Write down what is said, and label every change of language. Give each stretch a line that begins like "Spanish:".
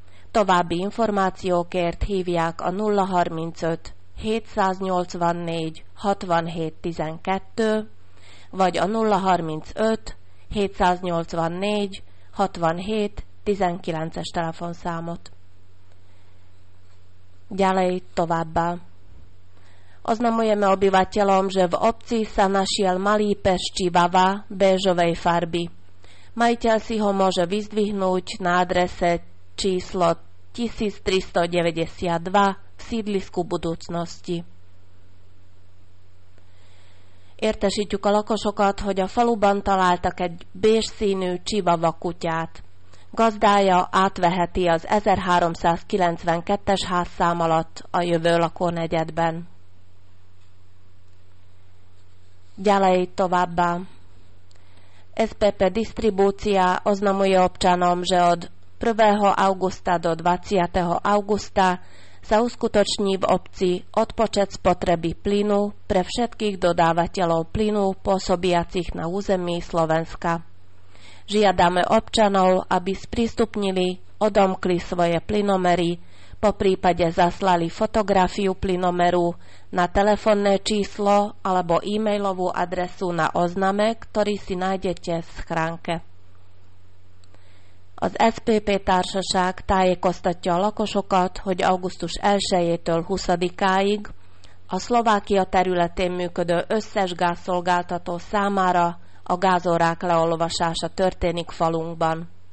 Hungarian: További információkért hívják a 035 784 67 12 vagy a 035 784 67 19-es telefonszámot.
Slovak: Ďalej
Hungarian: továbbá.
Slovak: Oznamujeme obyvateľom, že v obci sa našiel malý pes čivava béžovej farby. Majiteľ si ho môže vyzdvihnúť na adrese číslo 1392 v sídlisku budúcnosti.
Hungarian: Értesítjük a lakosokat, hogy a faluban találtak egy bézs színű csivava kutyát. Gazdája átveheti az 1392-es házszám alatt a jövő lakónegyedben. Gyalej továbbá.
Slovak: SPP Distribúcia oznamuje občanom, že od 1. augusta do 20. augusta sa uskutoční v obci odpočet spotreby plynu pre všetkých dodávateľov plynu pôsobiacich na území Slovenska. Žiadame občanov, aby sprístupnili, odomkli svoje plynomery, po prípade zaslali fotografiu plynomeru na telefónne číslo alebo e-mailovú adresu na ozname, ktorý si nájdete v schránke.
Hungarian: Az SPP társaság tájékoztatja a lakosokat, hogy augusztus 1-től 20-áig a Szlovákia területén működő összes gázszolgáltató számára a gázórák leolvasása történik falunkban.